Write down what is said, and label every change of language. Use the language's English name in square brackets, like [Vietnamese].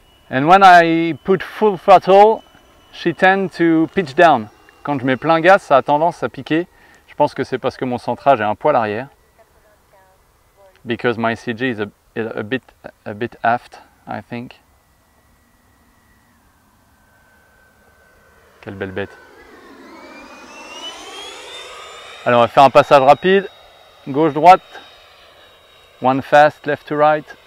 [English] And when I put full throttle, she tend to pitch down. [French] Quand je mets plein gaz, ça a tendance à piquer. Je pense que c'est parce que mon centrage est un poil arrière. [English] Because my CG is a bit aft, I think. [French] Quelle belle bête. Allez, on va faire un passage rapide. Gauche-droite. [English] One fast, left to right.